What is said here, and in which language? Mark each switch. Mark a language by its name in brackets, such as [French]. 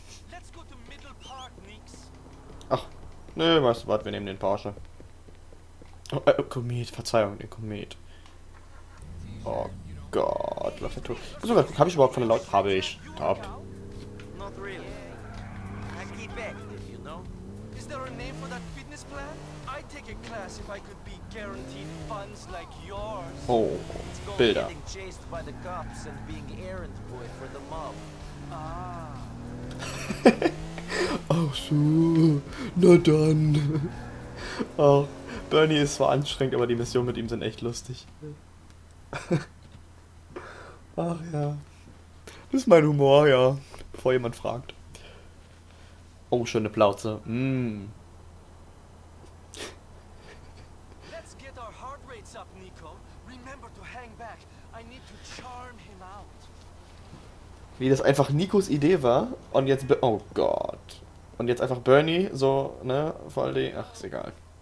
[English] Let's go to Middle Park, Nix. [German] Ach, nö, weißt du was, wir nehmen den Porsche. Oh, Komet, Verzeihung, den Komet. Oh Gott. Also, habe ich überhaupt von der Leute? Habe ich. Top. [English] Not really. I keep active, you know. Is there a name for that fitness plan? I'd take a class if I could be guaranteed funds like yours. [German] Oh, Bilder. [English] Getting chased by the cops and being errand boy for the mob. Ah. [German] Ach so. Na dann. Oh, Bernie ist zwar anstrengend, aber die Mission mit ihm sind echt lustig. Ach ja, das ist mein Humor, ja, bevor jemand fragt. Oh, schöne Plauze, [English] Let's get our heart rates up, Nico. Remember to hang back. I need to charm him out. [German] Wie das einfach Nikos Idee war und jetzt, oh Gott. Und jetzt einfach Bernie, so, ne, voll die, ach, ist egal.